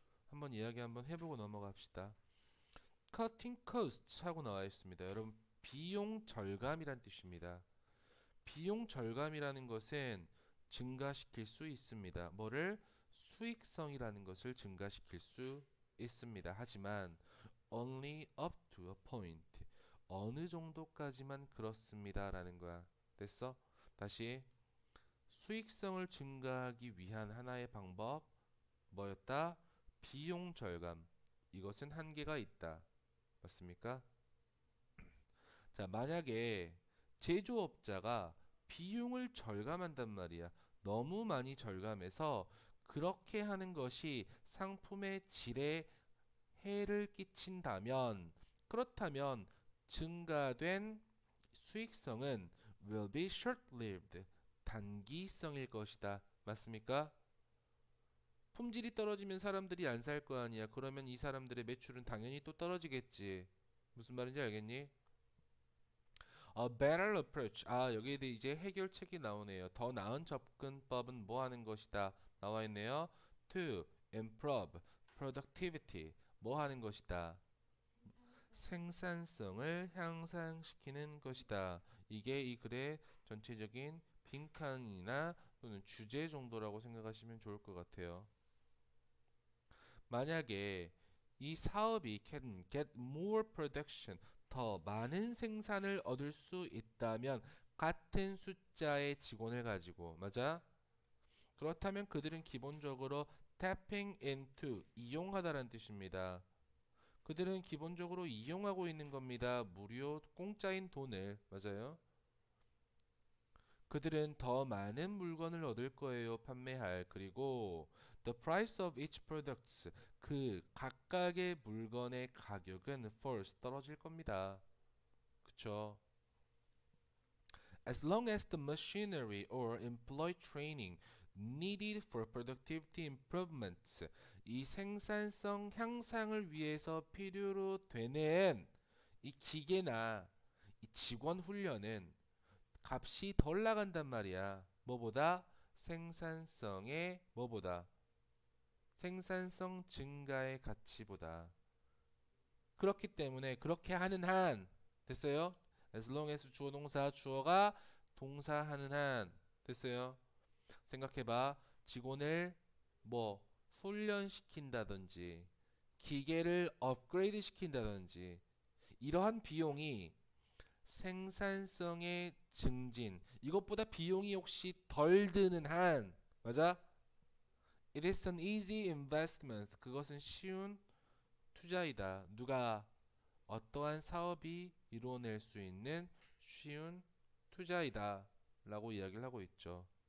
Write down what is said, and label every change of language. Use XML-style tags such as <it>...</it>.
<ko>한번 이야기 한번 해보고 넘어갑시다.</ko> <en>Cutting costs</en> <ko>하고 나와 있습니다. 여러분, 비용 절감이란 뜻입니다. 비용 절감이라는 것은 증가시킬 수 있습니다. 뭐를? 수익성이라는 것을 증가시킬 수 있습니다. 하지만</ko> <en>only up to a point.</en> <ko>어느 정도까지만 그렇습니다라는 거야. 됐어? 다시 수익성을 증가하기 위한 하나의 방법 뭐였다? 비용 절감. 이것은 한계가 있다. 맞습니까? 자, 만약에 제조업자가 비용을 절감한단 말이야. 너무 많이 절감해서 그렇게 하는 것이 상품의 질에 해를 끼친다면 그렇다면 증가된 수익성은</ko> <en>will be short-lived,</en> <ko>단기성일 것이다. 맞습니까? 품질이 떨어지면 사람들이 안살거 아니야. 그러면 이 사람들의 매출은 당연히 또 떨어지겠지. 무슨 말인지 알겠니?</ko> <en>A better approach.</en> <ko>아, 여기에 이제 해결책이 나오네요. 더 나은 접근법은 뭐 하는 것이다? 나와 있네요.</ko> <en>To improve productivity.</en> <ko>뭐 하는 것이다? 생산성을 향상시키는 것이다. 이게 이 글의 전체적인 빈칸이나 또는 주제 정도라고 생각하시면 좋을 것 같아요. 만약에 이 사업이</ko> <en>can get more production,</en> <ko>더 많은 생산을 얻을 수 있다면 같은 숫자의 직원을 가지고, 맞아? 그렇다면 그들은 기본적으로</ko> <en>tapping into,</en> <ko>이용하다라는 뜻입니다. 그들은 기본적으로 이용하고 있는 겁니다. 무료 공짜인 돈을. 맞아요? 그들은 더 많은 물건을 얻을 거예요. 판매할. 그리고</ko> <en>the price of each products.</en> <ko>그 각각의 물건의 가격은 first 떨어질 겁니다. 그쵸?</ko> <en>As long as the machinery or employee training needed for productivity improvements,</en> <ko>이 생산성 향상을 위해서 필요로 되는 이 기계나 이 직원 훈련은 값이 덜 나간단 말이야. 뭐보다? 생산성의 뭐보다? 생산성 증가의 가치보다. 그렇기 때문에 그렇게 하는 한 됐어요? As long as 주어 동사 주어가 동사하는 한 됐어요? 생각해봐. 직원을 뭐 훈련시킨다든지 기계를 업그레이드 시킨다든지 이러한 비용이 생산성의 증진. 이것보다 비용이 혹시 덜 드는 한. 맞아?</ko> <en>It is an easy investment.</en> <ko>그것은 쉬운 투자이다. 누가 어떠한 사업이 이루어낼 수 있는 쉬운 투자이다. 라고 이야기를 하고 있죠.</ko>